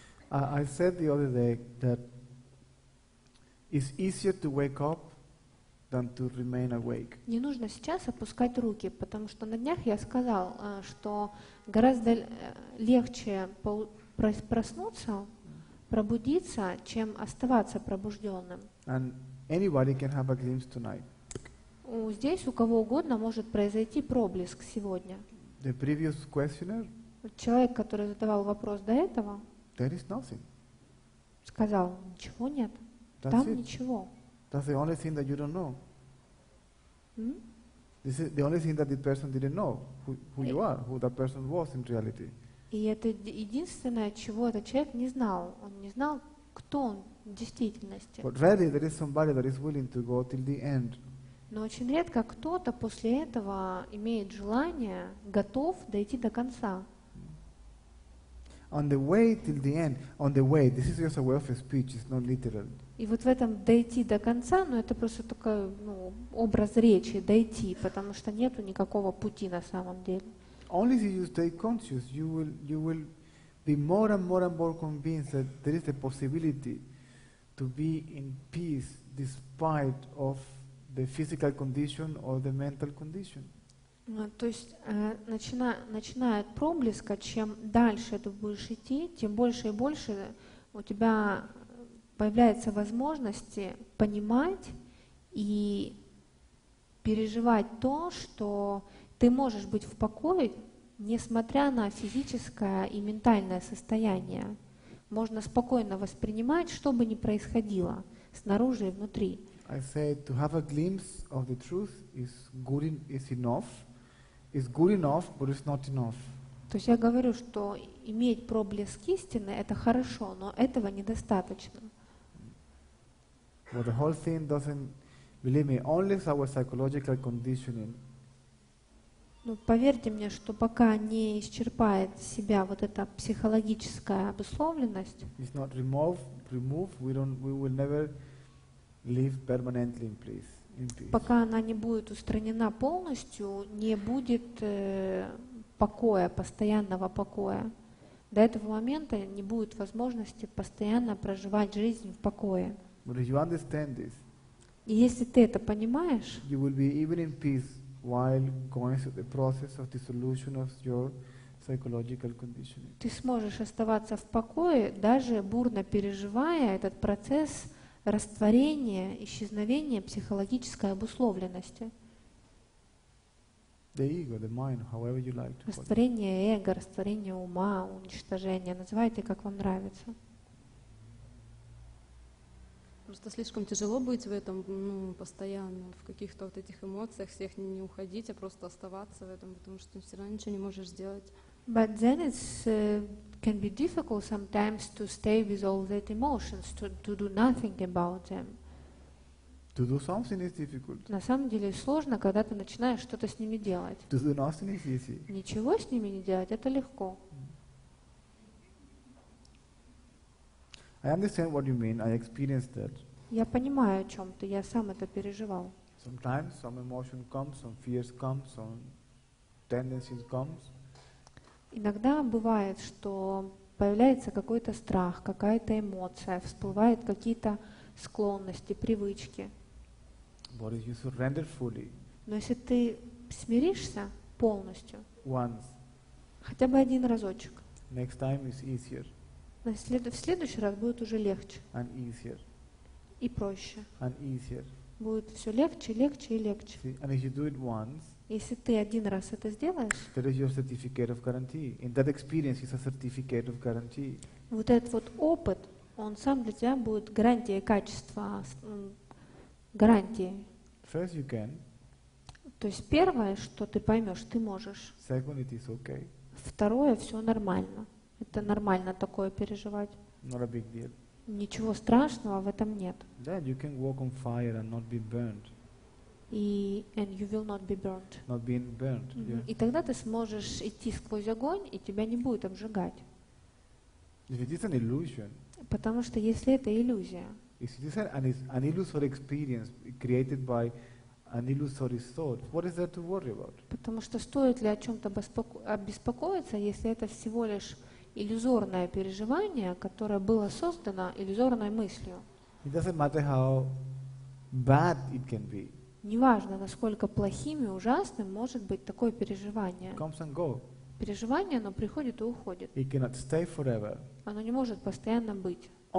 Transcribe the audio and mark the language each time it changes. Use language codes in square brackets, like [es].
[en] I said the other day that it's easier to wake up than to remain awake. [ru] Не нужно сейчас опускать руки, потому что на днях я сказал, что гораздо легче проснуться, пробудиться, чем оставаться пробужденным. [en] And anybody can have a glimpse tonight. [ru] Здесь у кого угодно может произойти проблеск сегодня. [en] The previous questioner? [ru] Человек, который задавал вопрос до этого, [en] there is nothing. [ru] Сказал, ничего нет. [en] That's [ru] там [en] it. [ru] Ничего. [en] That's the only thing that you don't know. Hmm? This is the only thing that the person didn't know who you are, who that person was in reality. [ru] И это единственное, чего этот человек не знал. Он не знал, кто он в действительности. [en] But rarely there is somebody that is willing to go till the end. [ru] Но очень редко кто-то после этого имеет желание, готов дойти до конца. [en] On the way till the end, on the way, this is just a way of speech, it's not literal. [ru] И вот в этом дойти до конца, ну это просто такой, ну, образ речи, дойти, потому что нету никакого пути на самом деле. [en] Only if you stay conscious, you will be more and more convinced that there is a possibility to be in peace despite of the physical condition or the mental condition. [ru] То есть начинает проблеска, чем дальше ты будешь идти, тем больше и больше у тебя появляется возможности понимать и переживать то, что ты можешь быть в покое, несмотря на физическое и ментальное состояние. Можно спокойно воспринимать, что бы ни происходило снаружи и внутри. [en] I said to have a glimpse of the truth is good is enough. It's good enough, but it's not enough. [ru] То есть я говорю, что иметь проблеск истины это хорошо, но этого недостаточно. [en] But the whole thing doesn't, believe me, only our psychological conditioning. [ru] Ну, поверьте мне, что пока не исчерпает себя вот эта психологическая обусловленность. [en] It's not removed. We will never live permanently in peace. [ru] пока она не будет устранена полностью, не будет покоя, постоянного покоя. До этого момента не будет возможности постоянно проживать жизнь в покое. [en] But if you understand this, [ru] и если ты это понимаешь, [en] you will be even in peace while going through the process of dissolution of your psychological conditioning. [ru] Ты сможешь оставаться в покое, даже бурно переживая этот процесс растворения, исчезновения психологической обусловленности. [en] The ego, the mind, however you like to call [ru] Растворение эго, растворение ума, уничтожение, называйте как вам нравится. Просто слишком тяжело быть в этом, ну, постоянно, в каких-то вот этих эмоциях, всех не уходить, а просто оставаться в этом, потому что ты все равно ничего не можешь сделать. [en] But then it can be difficult sometimes to stay with all that emotions, to do nothing about them. To do something is difficult. [ru] На самом деле сложно, когда ты начинаешь что-то с ними делать. [en] To do nothing is easy. [ru] Ничего с ними не делать, это легко. [en] I understand what you mean. I experienced that. [ru] Я понимаю, о чем ты. Я сам это переживал. [en] Sometimes some emotion comes, some fears come, some tendencies comes. [ru] Иногда бывает, что появляется какой-то страх, какая-то эмоция, всплывают какие-то склонности, привычки. [en] But if you surrender fully. [ru] Но если ты смиришься полностью. [en] Once. [ru] Хотя бы один разочек. [en] Next time is easier. [ru] В следующий раз будет уже легче. [en] And easier. [ru] И проще. [en] And easier. [ru] Будет все легче, легче и легче. [en] See, and if you do it once, [ru] если ты один раз это сделаешь, [en] there is your certificate of guarantee. In that experience is a certificate of guarantee. [ru] Вот этот вот опыт, он сам для тебя будет гарантией качества, гарантией. [en] First you can. [ru] То есть первое, что ты поймешь, ты можешь. [en] Second, it is okay. [ru] Второе, все нормально. Это нормально такое переживать. [en] Not a big deal. [ru] Ничего страшного в этом нет. [en] Then you can walk on fire and not be burned. And you will not be burned. Not being burned. Mm-hmm. Yeah. [ru] И тогда ты сможешь идти сквозь огонь, и тебя не будет обжигать. [en] If it is an illusion. [ru] Потому что если это иллюзия. [en] If it is an illusory experience created by an illusory thought, what is there to worry about? [ru] Потому что стоит ли о чем-то обеспокоиться, если это всего лишь иллюзорное переживание, которое было создано иллюзорной мыслью. [en] It doesn't matter how bad it can be. [ru] Неважно, насколько плохим и ужасным может быть такое переживание. [en] It comes and go. [ru] Переживание, оно приходит и уходит. [en] It cannot stay forever. [ru] Оно не может постоянно быть.